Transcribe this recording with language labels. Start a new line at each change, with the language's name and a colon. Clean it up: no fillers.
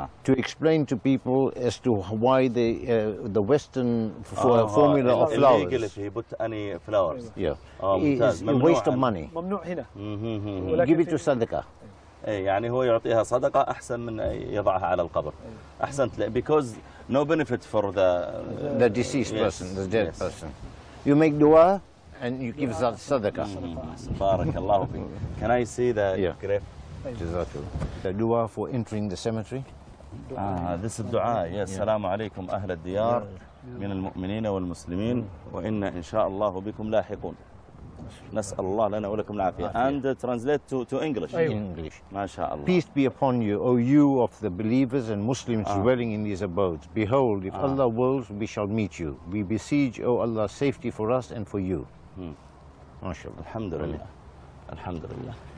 English: To explain to people as to why the Western formula of flowers. Illegal if he put any flowers. Yeah. It's a waste of money.
Arabic: ممنوع هنا.
English: Give it to صدقة.
Arabic: يعني هو يعطيها صدقة أحسن من يضعها على القبر. أحسنت.
English: Because no benefit for the deceased person, the dead person. You make dua and you give that صدقة.
Arabic: بارك الله فيك.
English: Can I see the grave?
Arabic: جزاك الله.
English: The dua for entering the cemetery. This is dua. Yes.
Arabic: السلام عليكم أهل الديار من المؤمنين والمسلمين وإن شاء الله بكم لاحقون. نسأل الله لنا ولكم العافية.
English: And translate to English. English.
Arabic: ما شاء الله.
English: Peace be upon you, O you of the believers and Muslims dwelling in these abodes. Behold, if Allah wills, we shall meet you. We beseech, O Allah, safety for us and for you.
Arabic: ما شاء الله. الحمد لله. الحمد لله.